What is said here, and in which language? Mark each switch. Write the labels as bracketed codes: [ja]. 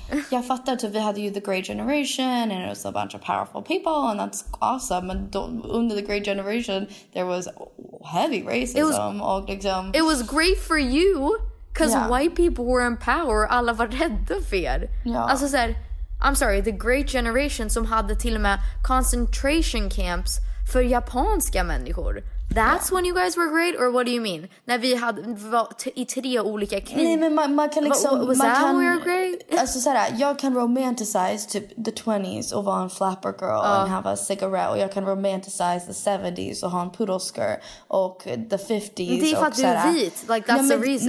[sv] Jag fattar, typ, vi hade ju [en] the great generation and it was a bunch of powerful people and that's awesome. And under the great generation there was heavy racism. It was, [sv] och liksom, [en] it was great for you because white people were in power. [sv] Alla var rädda för er. Alltså såhär, [en] I'm sorry, the great generation [sv] som hade till och med [en] concentration camps [sv] för japanska människor. [en] That's when you guys were great, or what do you mean? [sv] När vi hade i tre olika krig. Nej, men man kan liksom... [en] Was [sv] man [en] that [sv] kan, [en] when we were great? [sv] Alltså såhär, jag kan romanticize typ [en] the 20s [sv] och vara en [en] flapper girl and have a cigarette. [sv] Och jag kan romanticize [en] the 70s [sv] och ha en poodleskirt. Och [en] the 50s [sv] och såhär. Det är för att du är vit. [en] Like, that's the reason.